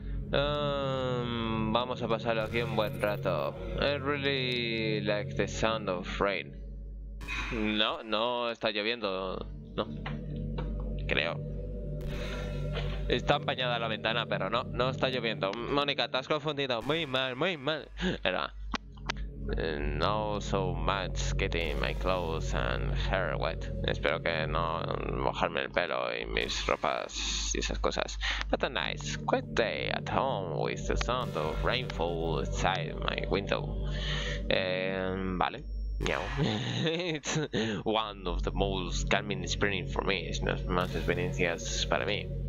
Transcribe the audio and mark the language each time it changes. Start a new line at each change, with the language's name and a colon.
Spanish: Vamos a pasarlo aquí un buen rato.
English: I really like the sound of rain.
Spanish: No, no está lloviendo, no. Creo. Está empañada la ventana, pero no, no está lloviendo. Mónica, te has confundido. Muy mal, muy mal. Era.
English: No so much getting my clothes and hair wet.
Spanish: Espero que no mojarme el pelo y mis ropas y esas cosas.
English: But a nice, quiet day at home with the sound of rainfall outside my window.
Spanish: Vale.
English: It's one of the most calming experience for me.
Spanish: Es una de las más experiencias para mí.